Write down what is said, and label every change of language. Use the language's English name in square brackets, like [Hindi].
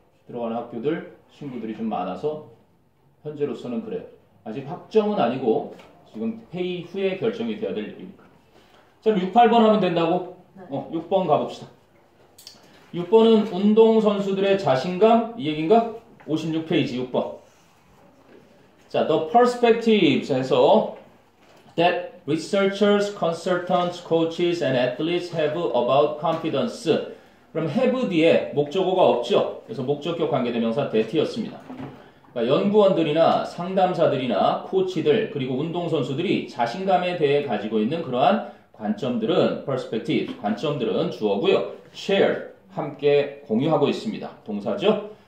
[Korean] 들어가는 학교들 친구들이 좀 많아서 현재로서는 그래요. 아직 확정은 아니고 지금 회의 후에 결정이 돼야 될 일이니까. 자, 6, 8번 하면 된다고? 네. 6번 가봅시다. 6번은 운동선수들의 자신감 이 얘긴가? 56페이지 6번. [English] 자, the perspectives에서 that researchers, consultants, coaches, and athletes have about confidence. [Korean] 그럼 have 뒤에 목적어가 없죠? 그래서 목적격 관계대명사 that이었습니다. 그러니까 연구원들이나 상담사들이나 코치들 그리고 운동선수들이 자신감에 대해 가지고 있는 그러한 관점들은 perspectives, 관점들은 주어고요. share, 함께 공유하고 있습니다. 동사죠?